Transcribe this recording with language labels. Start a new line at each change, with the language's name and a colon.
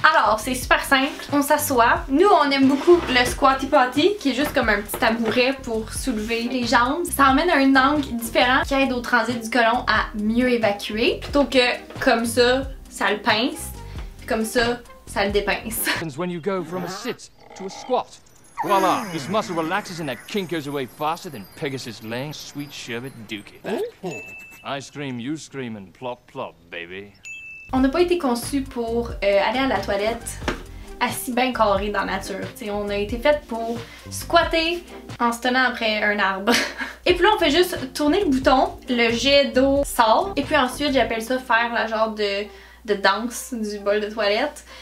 French: Alors, c'est super simple, on s'assoit. Nous, on aime beaucoup le squatty potty, qui est juste comme un petit tabouret pour soulever les jambes. Ça emmène à un angle différent qui aide au transit du côlon à mieux évacuer, plutôt que comme ça, ça le pince, puis comme ça, ça le dépince.
English: When you go from a sit to a squat, voila, this muscle relaxes and that kink goes away faster than Pegasus Lane, sweet sherbet dookie. I scream, you scream and plop plop, baby.
French: On n'a pas été conçu pour aller à la toilette assis bien carré dans la nature. T'sais, on a été fait pour squatter en se tenant après un arbre. Et puis là, on fait juste tourner le bouton, le jet d'eau sort, et puis ensuite, j'appelle ça faire la genre de danse du bol de toilette.